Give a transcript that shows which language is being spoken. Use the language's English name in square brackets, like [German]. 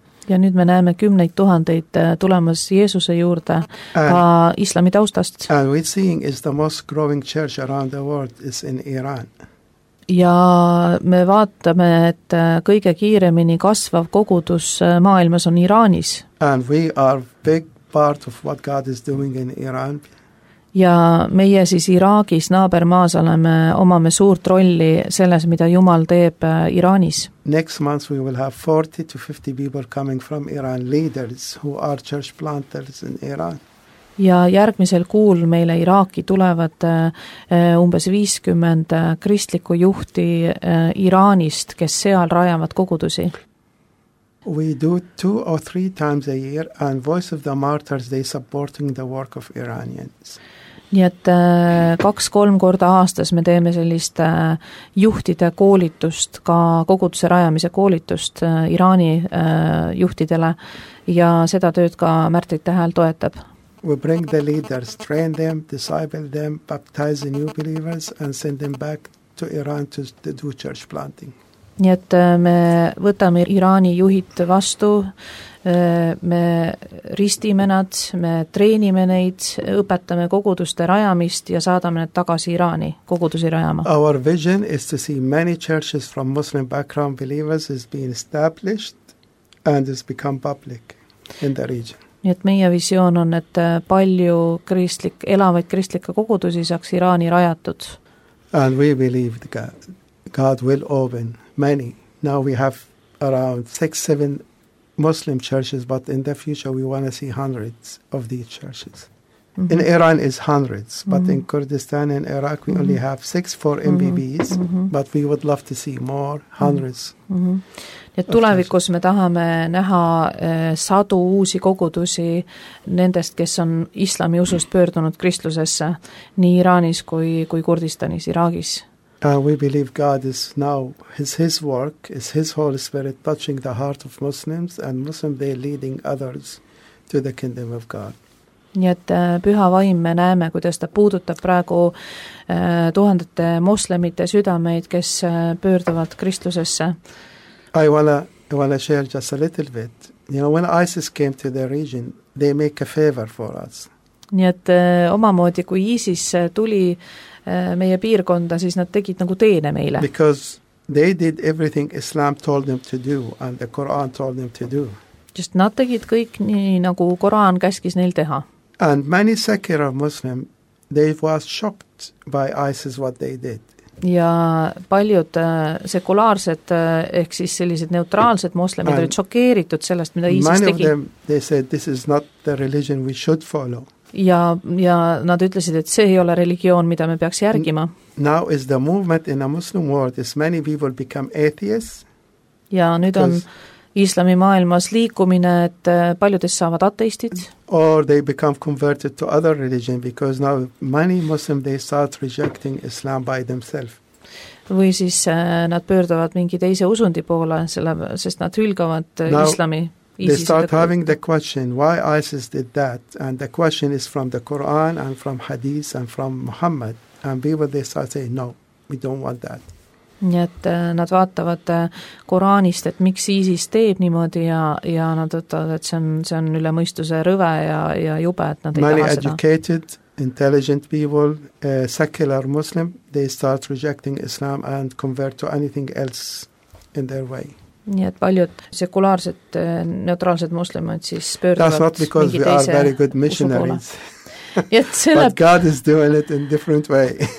[Estonian] Ja nüüd me näeme kümneid tuhandeid tulemas Jeesuse juurde ka islami taustast. [English] And we're seeing is the most growing church around the world is in Iran. [Estonian] Ja me vaatame, et kõige kiiremini kasvav kogudus maailmas on Iraanis. [English] And we are big part of what God is doing in Iran. [Estonian] Ja meie siis Iraagis naabermaas oleme omame suurt rolli selles, mida Jumal teeb Iraanis. [English] Next month we will have 40 to 50 people coming from Iran, leaders who are church planters in Iran. [Estonian] Ja järgmisel kuul meile Iraaki tulevad umbes 50 kristliku juhti Iraanist, kes seal rajavad kogudusi. [English] We do two or three times a year and Voice of the Martyrs, they supporting the work of Iranians. [Estonian] Nii et 2-3 korda aastas me teeme sellist juhtide koolitust, ka koguduse rajamise koolitust Iraani juhtidele ja seda tööd ka Märtit tähel toetab. [English] We bring the leaders, train them, disciple them, baptize the new believers and send them back to Iran to do church planting. [Estonian] Nii et me võtame Iraani juhid vastu, me ristime nad, me treenime neid, õpetame koguduste rajamist ja saadame need tagasi Iraani kogudusi rajama. [English] Our vision is to see many churches from Muslim background believers is being established and is become public in the region. [Estonian] Nii et meie visioon on, et palju kristlik, elavaid kristlikke kogudusi saaks Iraani rajatud. [English] And we believe that God will open many. Now we have around 6-7 Muslim churches, but in the future we want to see hundreds of these churches. Mm-hmm. In Iran is hundreds, but mm-hmm. in Kurdistan and Iraq we mm-hmm. only have 6-4 MBBs, mm-hmm. but we would love to see more, hundreds. [Estonian] Mm-hmm. Ja tulevikus me tahame näha sadu uusi kogudusi nendest, kes on islami usust pöördunud kristlusesse, nii Iraanis kui Kurdistanis, Iraagis. [English] We believe God is now his work, is his Holy Spirit touching the heart of Muslims and Muslims they leading others to the kingdom of God. [Estonian] Nii et püha vaim me näeme, kuidas ta puudutab praegu tuhandete moslemite südameid, kes pöörduvad kristlusesse. [English] I wanna share just a little bit. You know, when ISIS came to the region, they make a favor for us. [Estonian] Nii et omamoodi, kui ISIS tuli meie piirkonda, siis nad tegid nagu teene meile. [English] Because they did everything Islam told them to do and the Quran told them to do. [Estonian] Just nad tegid kõik nii, nagu Quran käskis neil teha. [English] And many secular Muslim, they was shocked by ISIS what they did. [Estonian] Ja paljud sekulaarsed, ehk siis sellised neutraalsed moslemid and olid šokeeritud sellest, mida ISIS [English] many [Estonian] tegi. [English] Many of them, they said, this is not the religion we should follow. [Estonian] Ja nad ütlesid, et see ei ole religioon, mida me peaks järgima. [English] Now is the movement in a Muslim world is many people become atheists. [Estonian] Ja nüüd on islami maailmas liikumine, et paljudes saavad ateistid. [English] Or they become converted to other religion because now many Muslims they start rejecting Islam by themselves. [Estonian] Või siis nad pöörduvad mingi teise usundi poole, sest nad hülgavad [English] now, [Estonian] islami. [English] They start having the question, why ISIS did that? And the question is from the Quran and from Hadith and from Muhammad. And people, they start saying, no, we don't want that. [Estonian] Nii et nad vaatavad Koraanist, et miks ISIS teeb niimoodi ja nad võtavad, et see on üle mõistuse rõve ja jube, et nad ei [English] Many [Estonian] taha [English] educated, Educated, intelligent people, secular Muslim, they start rejecting Islam and convert to anything else in their way. [Estonian] Nii et paljud sekulaarsed, neutraalsed muslimad siis pöörduvad [English] That's not because [Estonian] mingi [English] we are very good missionaries. [Estonian] Selle, [English] But God is doing it in different way.